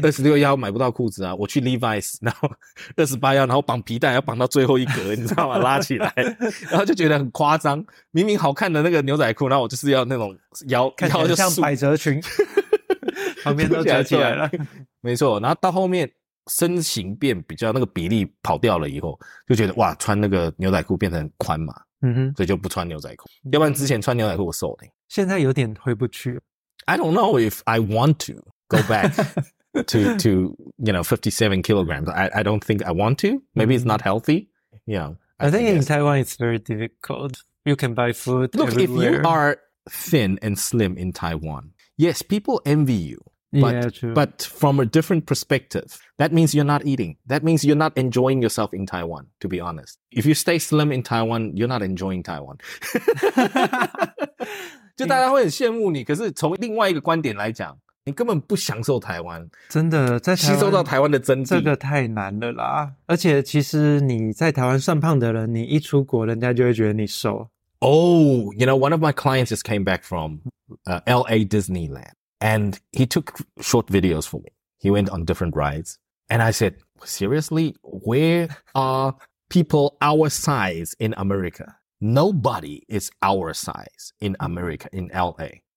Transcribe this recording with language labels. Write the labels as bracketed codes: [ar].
[zh] 26腰买不到裤子啊，我去 Levi's 然后28腰，然后绑皮带要绑到最后一格你知道吗，拉起来，然后就觉得很夸张，明明好看的那个牛仔裤，然后我就是要那种腰，看起来像百褶裙旁边都折起来了，没错。然后到后面身形变比较那个比例跑掉了以后，就觉得哇，穿那个牛仔裤变成宽嘛，嗯哼，所以就不穿牛仔裤，要不然之前穿牛仔裤我瘦的，现在有点回不去。 [en] I don't know if I want to go back to, you know, 57 kilograms. I don't think I want to. Maybe it's not healthy. Yeah. I think in Taiwan, it's very difficult. You can buy food Look, everywhere. If you are thin and slim in Taiwan, yes, people envy you. But from a different perspective, that means you're not eating. That means you're not enjoying yourself in Taiwan, to be honest. If you stay slim in Taiwan, you're not enjoying Taiwan. [zh] 就大家会很羡慕你，可是从另外一个观点来讲，你根本不享受台湾，真的在台湾吸收到台湾的真谛，这个太难了啦。而且其实你在台湾算胖的人，你一出国人家就会觉得你瘦。 [en] Oh, you know, one of my clients just came back from LA Disneyland, and he took short videos for me. He went on different rides, and I said, seriously, where are people our size in America? Nobody is our size in America, in LA.